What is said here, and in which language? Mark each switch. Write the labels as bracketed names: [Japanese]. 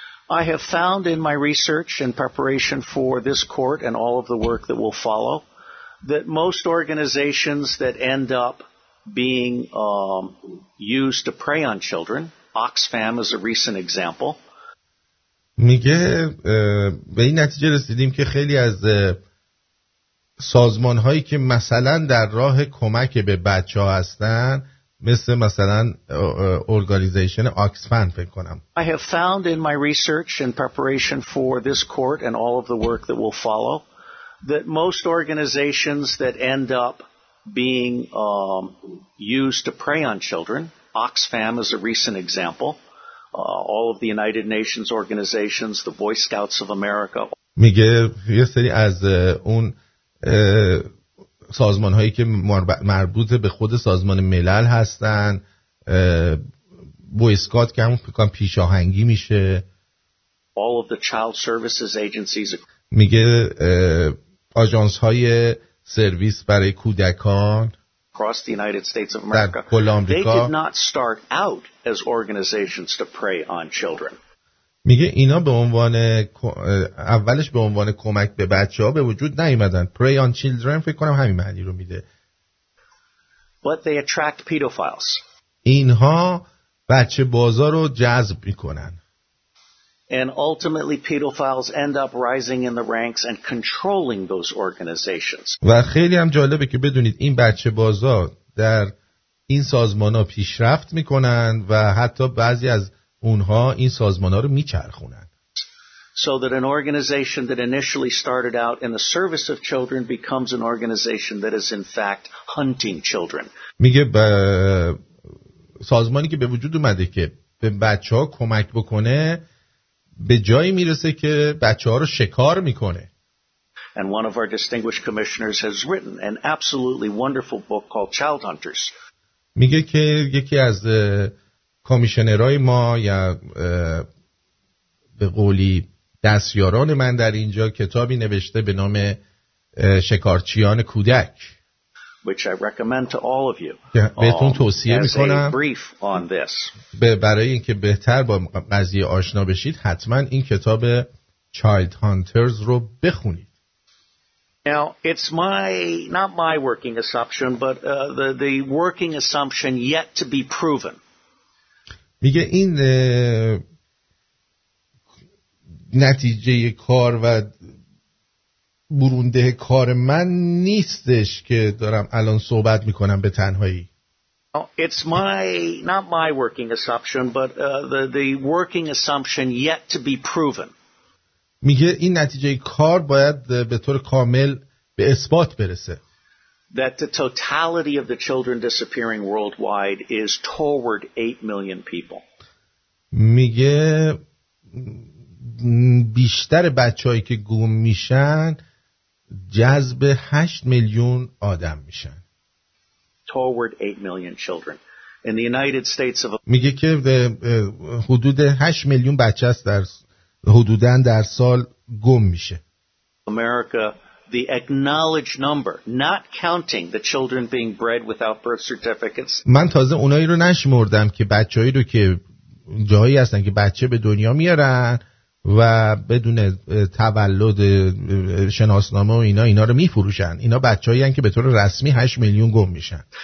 [English] I have found in my research and preparation for this court and all of the work that will follow that most organizations that end up being used to prey on children, Oxfam is a recent example. [Persian] میگه به این نتیجه رسیدیم که خیلی از سازمان‌هایی که مثلا در راه کمک به بچه‌ها هستن مثلا organization Oxfam فکر کنم. [English] I have found in my research and preparation for this court and all of the work that will follow that most organizations that end up being used to prey on children, Oxfam is a recent example, all of the United Nations organizations, the Boy Scouts of America. [Persian] میگه یه سری از اون سازمان هایی که مربوط به خود سازمان ملل هستن، بویسکات که همون پیکان پیش آهنگی میشه، [English] All of the child services agencies. [Persian] میگه آژانس های سرویس برای کودکان [English] Across the United States of America. [Persian] در کل آمریکا. [English] They did not start out as organizations to prey on children. [Persian] میگه اینا به عنوان اولش به عنوان کمک به بچه‌ها به وجود نیومدن. [English] Prey on children [Persian] فکر کنم همین معنی رو میده. [English] But they attract pedophiles. [Persian] اینها بچه بازا رو جذب میکنن. [English] And ultimately, pedophiles end up rising in the ranks and controlling those organizations. [Persian] و خیلی هم جالبه که بدونید این بچه بازا در این سازمان ها پیشرفت میکنن و حتی بعضی از اونها این سازمان ها رو میچرخونن. [English] So that an organization that initially started out in the service of children becomes an organization that is in fact hunting children. [Persian] میگه سازمانی که به وجود اومده که به بچه ها کمک بکنه به جایی میرسه که بچه ها رو شکار میکنه. [English] And one of our distinguished commissioners has written an absolutely wonderful book called Child Hunters. [Persian] میگه که یکی از کمیشنرهای ما یا به قولی دستیاران من در اینجا کتابی نوشته به نام شکارچیان کودک. [English] Which I recommend to all of you. [Persian] بهتون توصیه میکنم. [English] As a brief on this. [Persian] برای اینکه بهتر با قضیه آشنا بشید حتما این کتاب Child Hunters رو بخونید. [English] Now, it's not my working assumption, but the working assumption yet to be proven. [Persian] میگه این نتیجه کار و برونده کار من نیستش که دارم الان صحبت میکنم به تنهایی. [English] Now, it's not my working assumption, but the working assumption yet to be proven. [Persian] میگه این نتیجه کار باید به طور کامل به اثبات برسه. [English] That the totality of the children disappearing worldwide is toward 8 million people. [Persian] میگه بیشتر بچه‌هایی که گم میشن جذب 8 میلیون آدم میشن. [English] Toward 8 million children in the United States of [Persian] میگه که حدود 8 میلیون بچه است در حدوداً در سال گم میشه. [English] America, the acknowledged number, not counting the children being bred without birth certificates. [Persian] من تازه اونایی رو نشمردم که بچه‌هایی رو که جایی هستن که بچه به دنیا میارن و بدون تولد شناسنامه و اینا رو میفروشن. اینا بچه‌هایی هستن که به طور رسمی 8 میلیون گم میشن.